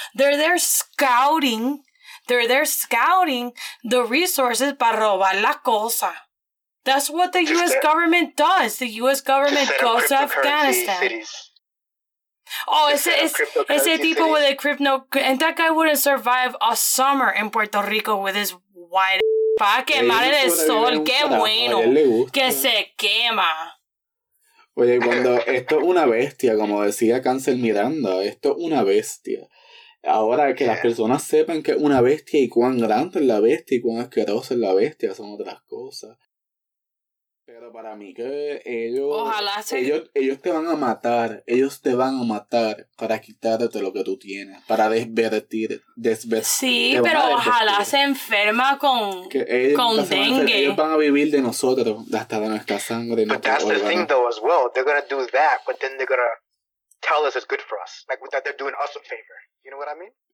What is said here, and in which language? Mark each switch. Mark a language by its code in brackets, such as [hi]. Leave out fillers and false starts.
[en] They're there scouting the resources [es] para robar las cosas. [en] That's what the U.S. government does. The U.S. government goes to Afghanistan. And that guy wouldn't survive a summer in Puerto Rico with his white [es] para quemar el sol. Qué bueno. Que se quema. Oye, cuando esto es una bestia, como decía Cáncer Miranda, esto es una bestia. Ahora que las personas sepan que es una bestia y cuán grande es la bestia y cuán asquerosa es la bestia, son otras cosas. Pero para mí que ellos te van a matar, ellos te van a matar para quitarte lo que tú tienes, para desvertir. Sí, pero ojalá se enferma con dengue. Ellos van a vivir de nosotros, hasta de nuestra sangre. [en] But that's the thing though as well, they're gonna do that, but then they're gonna tell us it's good for us, like that they're doing us a favor, you know what I mean?